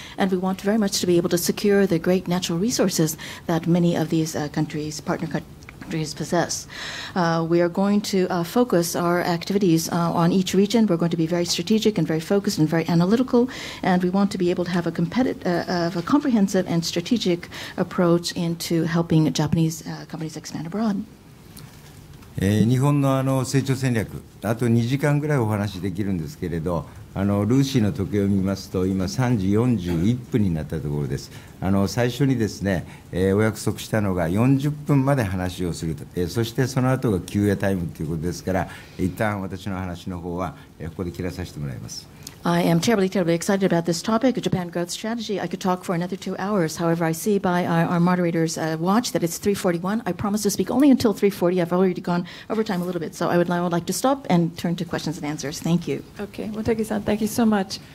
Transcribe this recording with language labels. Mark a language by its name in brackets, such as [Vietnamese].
[English] And we want very much to be able to secure the great natural resources that many of these countries, partner countries, possess. We are going to focus our activities on each region. We're going to be very strategic and very focused and very analytical, and we want to be able to have a competitive, a comprehensive and strategic approach into helping Japanese companies expand abroad. [Japanese] 日本の成長戦略、あと2時間ぐらいお話しできるんですけれど、ルーシーの時計を見ますと、今、3時41分になったところです。最初にですね、お約束したのが40分まで話をすると、そしてその後が休憩タイムということですから、一旦私の話の方は、ここで切らさせてもらいます。 [English] I am terribly, terribly excited about this topic, Japan growth strategy. I could talk for another 2 hours. However, I see by our moderator's watch that it's 3:41. I promise to speak only until 3:40. I've already gone over time a little bit, so I would like to stop and turn to questions and answers. Thank you. Okay, Motegi-san, thank you so much.